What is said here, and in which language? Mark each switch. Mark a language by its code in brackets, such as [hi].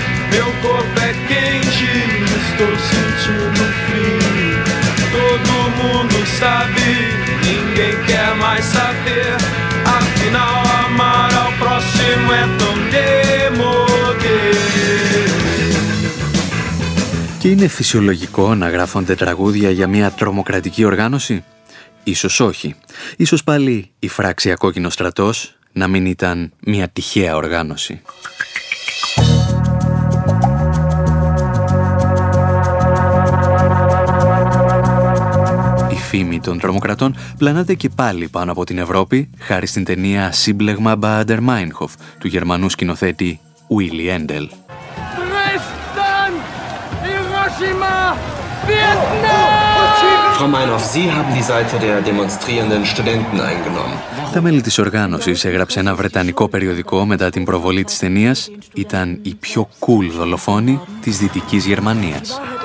[pt] Meu corpo é quente, estou sentindo frio. Todo mundo sabe, ninguém quer mais saber. Afinal, amar ao próximo é tão demodê. [el] Και είναι φυσιολογικό να γράφονται τραγούδια για μια τρομοκρατική οργάνωση? Ίσως όχι. Ίσως πάλι η Φράξια Κόκκινο Στρατός να μην ήταν μια τυχαία οργάνωση. Η φήμη των τρομοκρατών πλανάται και πάλι πάνω από την Ευρώπη χάρη στην ταινία «Σύμπλεγμα Bader Meinhof» του γερμανού σκηνοθέτη Ουίλι Έντελ. [de] Dresden, Hiroshima, Vietnam! Frau Meinhof, Sie haben die Seite der demonstrierenden Studenten eingenommen. [el] Τα μέλη της οργάνωσης, έγραψε ένα βρετανικό περιοδικό μετά την προβολή της ταινίας, ήταν η πιο cool δολοφόνη της Δυτικής Γερμανίας.